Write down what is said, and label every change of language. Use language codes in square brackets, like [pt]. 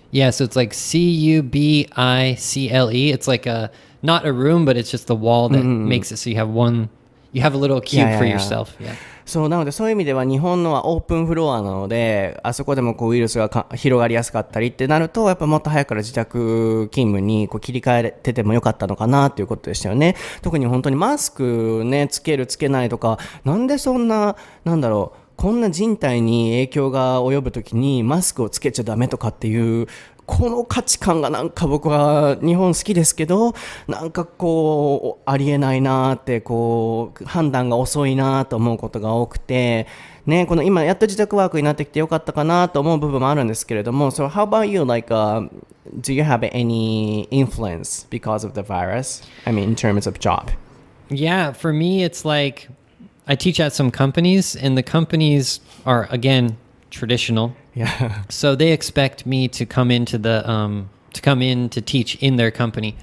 [en] yeah so it's like c-u-b-i-c-l-e it's like a not a room but it's just the wall that makes it so you have one you have a little cube for yourself yeah [ja] そうなのでそういう意味では日本のはオープンフロアなのであそこでもこうウイルスが広がりやすかったりってなるとやっぱもっと早くから自宅勤務にこう切り替えててもよかったのかなということでしたよね特に本当にマスク、ね、つけるつけないとかなんでそんななんだろうこんな人体に影響が及ぶときにマスクをつけちゃダメとかっていうこの価値観がなんか僕は日本好きですけどなんかこうありえないなってこう判断が遅いなと思うことが多くてねこの今やっと自宅ワークになってきてよかったかなと思う部分もあるんですけれども [en] So how about you? Like, do you have any influence because of the virus? I mean, in terms of job? Yeah, for me, it's like I teach at some companies and the companies are, again, traditional. Yeah. So they expect me to come into the to come in to teach in their company.